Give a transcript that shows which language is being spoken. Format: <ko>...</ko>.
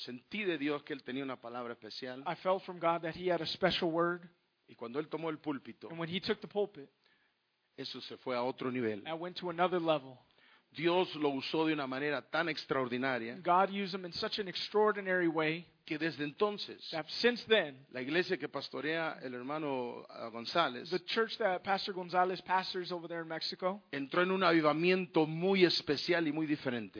<es>Sentí de Dios que él tenía una palabra especial.</es> <en>I felt from God that he had a special word.</en> <es>Y cuando él tomó el púlpito.</es> <en>And when he took the pulpit.</en> <es>Eso se fue a otro nivel.</es> <en>I went to another level.</en> <es>Dios lo usó de una manera tan extraordinaria.</es> <en>God used him in such an extraordinary way.</en> <es>Que desde entonces.</es> <en>That since then.</en> <es>La iglesia que pastorea el hermano González.</es> <en>The church that Pastor González pastors over there in Mexico.</en> <es>Entró en un avivamiento muy especial y muy diferente.</es>